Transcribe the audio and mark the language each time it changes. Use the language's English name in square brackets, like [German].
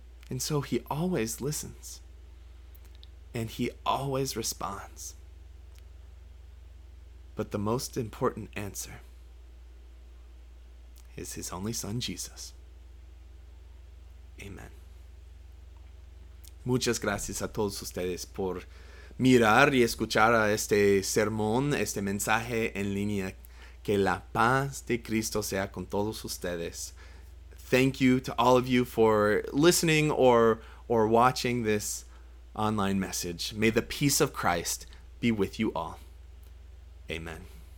[English] And so He always listens. And He always responds. But the most important answer is His only Son, Jesus. Amen. [Spanish] Muchas gracias a todos ustedes por mirar y escuchar a este sermón, este mensaje en línea. Que la paz de Cristo sea con todos ustedes. [English] Thank you to all of you for listening or watching this online message. May the peace of Christ be with you all. Amen.